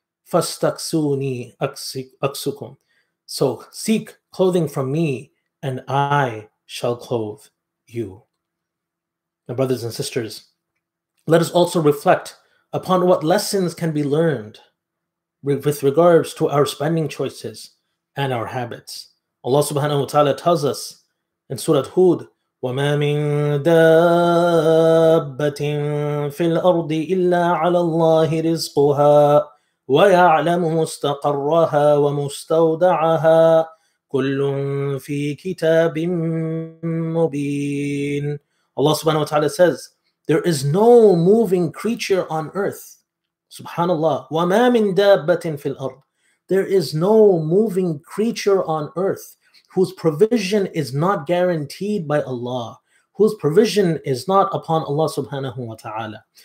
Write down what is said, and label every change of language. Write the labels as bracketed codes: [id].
[ar] Fastaksuni aksukum. [en] So seek clothing from me and I shall clothe you. My brothers and sisters, let us also reflect upon what lessons can be learned with regards to our spending choices and our habits. [ar] Allah subhanahu wa ta'ala tells us in Surah Hud, وَمَا مِن دَابَّةٍ فِي الْأَرْضِ إِلَّا عَلَى اللَّهِ رِزْقُهَا وَيَعْلَمُ مُسْتَقَرَّهَا وَمُسْتَوْدَعَهَا كُلٌّ فِي كِتَابٍ مُبِينٍ. [en] Allah subhanahu wa ta'ala says, there is no moving creature on earth. [ar] Subhanallah. وَمَا مِن دَابَّةٍ فِي الْأَرْضِ. [en] There is no moving creature on earth whose provision is not guaranteed by Allah, whose provision is not upon Allah subhanahu wa ta'ala.